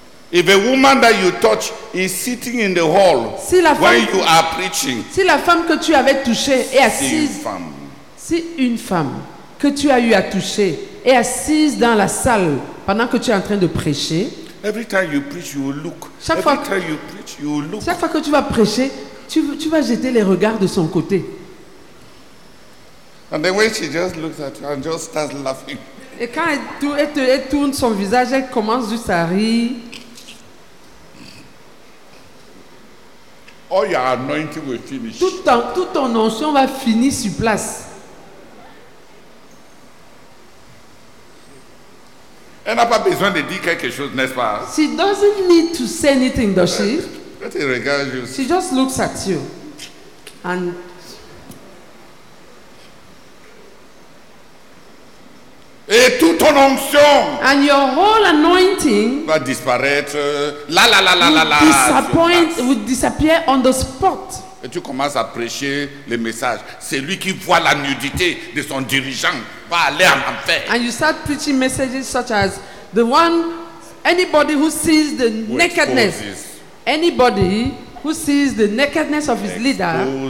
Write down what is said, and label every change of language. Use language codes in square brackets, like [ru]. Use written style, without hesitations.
[en] If a woman that you touch is sitting in the hall [fr] si [en] where you are preaching, [fr] si la femme que tu avais touchée est assise, si une femme que tu as eu à toucher est assise dans la salle pendant que tu es en train de prêcher, [en] every time you preach, you look. [fr] Chaque fois que tu vas prêcher, tu vas jeter les regards de son côté. [en] And then when she just looks at you and just starts laughing. [fr] Et quand elle tourne son visage, elle commence juste à rire. [en] All your anointing will finish. [fr] Tout ton onction va finir sur place. Elle n'a pas besoin de dire quelque chose, n'est-ce pas? [en] She doesn't need to say anything, does she? [fr] Quand elle regarde, [en] she just looks at you. And [fr] et toute ton onction. [en] And your whole anointing [fr] va disparaître. La la la la la la. [en] Disappear on the spot. [fr] et tu commences à prêcher le message. C'est lui qui voit la nudité de son dirigeant va aller en enfer. [en] And you start preaching messages such as the one anybody who sees the who nakedness exposes. Anybody who sees the nakedness of his leader